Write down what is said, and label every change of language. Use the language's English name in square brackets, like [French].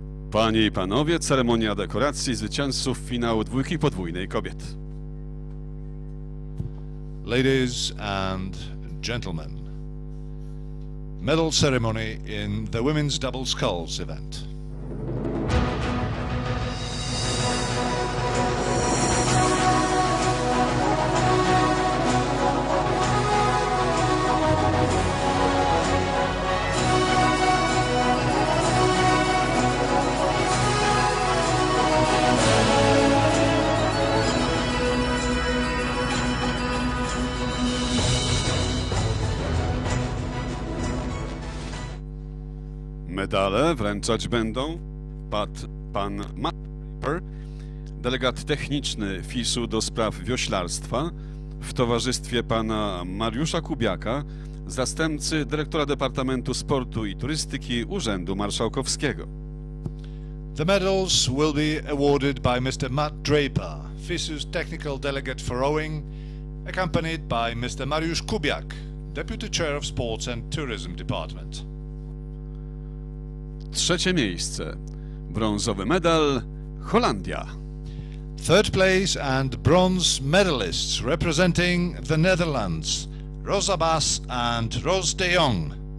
[Polish] Panie i panowie, ceremonia dekoracji zwycięzców finału dwójki podwójnej kobiet. [English] Ladies and gentlemen, medal ceremony in the women's double sculls event. [Polish] Medale wręczać będą pan Matt Draper, delegat techniczny FISU do spraw wioślarstwa, w towarzystwie pana Mariusza Kubiaka, zastępcy dyrektora Departamentu Sportu i Turystyki Urzędu Marszałkowskiego. [English] The medals will be awarded by Mr. Matt Draper, FISU's technical delegate for rowing, accompanied by Mr. Mariusz Kubiak, deputy chair of Sports and Tourism Department. [Polish] Trzecie miejsce. Brązowy medal Holandia. [English] Third place and bronze medalists representing the Netherlands, Rosa Bas and Rose de Jong.